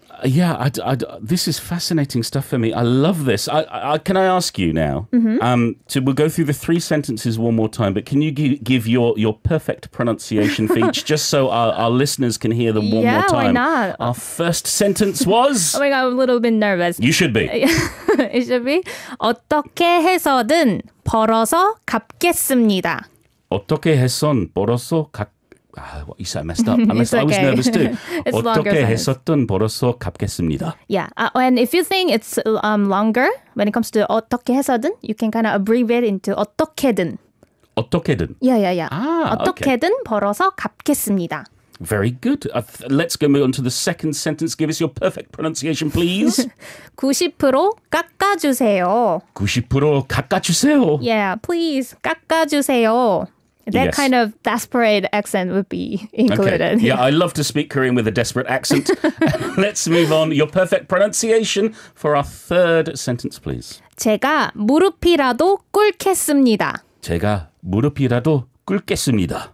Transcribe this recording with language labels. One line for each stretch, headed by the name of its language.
English: Yeah, this is fascinating stuff for me. I love this. Can I ask you now? Mm-hmm. We'll go through the three sentences one more time, but can you give your perfect pronunciation for each, just so our listeners can hear them one more time? Yeah, why not? Our first sentence was... Oh my God, I'm a little bit nervous. You should be. It should be...
Korean: 어떻게 해서든 벌어서 갚겠습니다. 어떻게 해선 벌어서 갚겠습니다.
English: What, you said I messed up. Okay. I was nervous too. It's
Korean: 어떻게
English: longer
Korean: 했었던 벌어서 갚겠습니다.
English: Yeah, and if you think it's longer, when it comes to
Korean: 어떻게 해서든,
English: you can kind of abbreviate into
Korean: 어떻게든. 어떻게든.
English: Yeah, yeah, yeah. Ah,
Korean: 어떻게든
English: okay.
Korean: 벌어서 갚겠습니다.
English: Very good. Let's go move on to the second sentence. Give us your perfect pronunciation, please.
Korean: 90% 깎아주세요. 90% 깎아주세요.
English: Yeah, please
Korean: 깎아주세요.
English: That yes. kind of desperate accent would be included. Okay. Yeah, I love to speak Korean with a desperate accent. Let's move on. Your perfect pronunciation for our third sentence, please.
Korean: 제가 무릎이라도 꿇겠습니다. 제가 무릎이라도 꿇겠습니다.